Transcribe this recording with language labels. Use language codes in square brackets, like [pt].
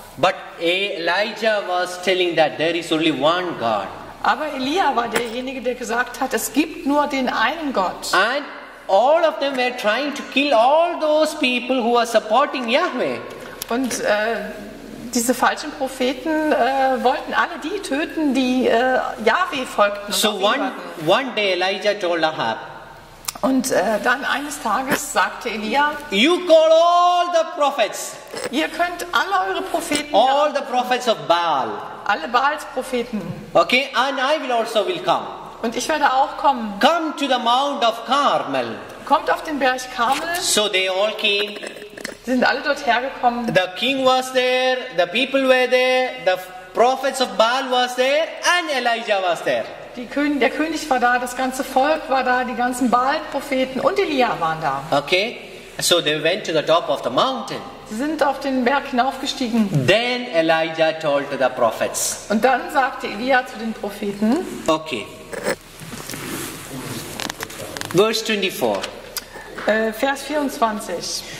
[en] But Elijah was telling that there is only one God. [de] Aber Elia war derjenige, der gesagt hat, es gibt nur den einen Gott. [en] And all of them were trying to kill all those people who are supporting Yahweh. [de] Und diese falschen Propheten wollten alle die töten, die Yahweh folgten. [en] So one day Elijah told Ahab. [de] Und dann eines Tages sagte Elia, [en] you call all the prophets. [de] Ihr könnt alle eure Propheten. [en] All the prophets of Baal. [de] Alle Baals Propheten. [en] Okay, and I will also come. [de] Und ich werde auch kommen. [en] Come to the Mount of Carmel. [de] Kommt auf den Berg Karmel. [en] So they all came. [de] Sie sind alle dort hergekommen. [en] The king was there, the people were there, the prophets of Baal was there, and Elijah was there. [de] Der König war da, das ganze Volk war da, die ganzen Baal-Propheten und Elia waren da. [en] Okay, so they went to the top of the mountain. [de] Sie sind auf den Berg hinaufgestiegen. [en] Then Elijah told to the prophets. [de] Und dann sagte Elia zu den Propheten. [en] Okay. Verse 24. [de] Vers 24.